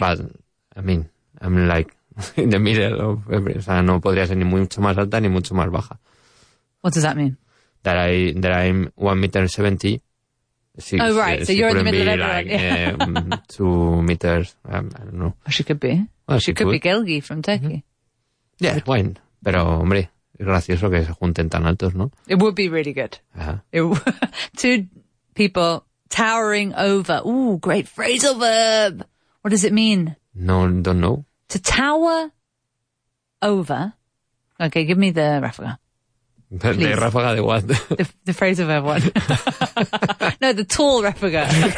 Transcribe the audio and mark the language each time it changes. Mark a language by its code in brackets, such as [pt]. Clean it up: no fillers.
[en] But, I mean, I'm like in the middle of everything. [es] O sea, no podría ser ni mucho más alta ni mucho más baja. [en] What does that mean? That I'm 1.70 meters. So you're in the middle of everyone. Like, yeah. 2 meters, I don't know. Or she could be. Well, she could be Gelgi from Turkey. Mm-hmm. Yeah, why? [es] Pero, hombre, es gracioso que se junten tan altos, ¿no? [en] It would be really good. Two people towering over. Ooh, great phrasal verb. What does it mean? No, don't know. To tower over. Okay, give me the ráfaga. The ráfaga de what? The phrasal verb one. No, the tall ráfaga.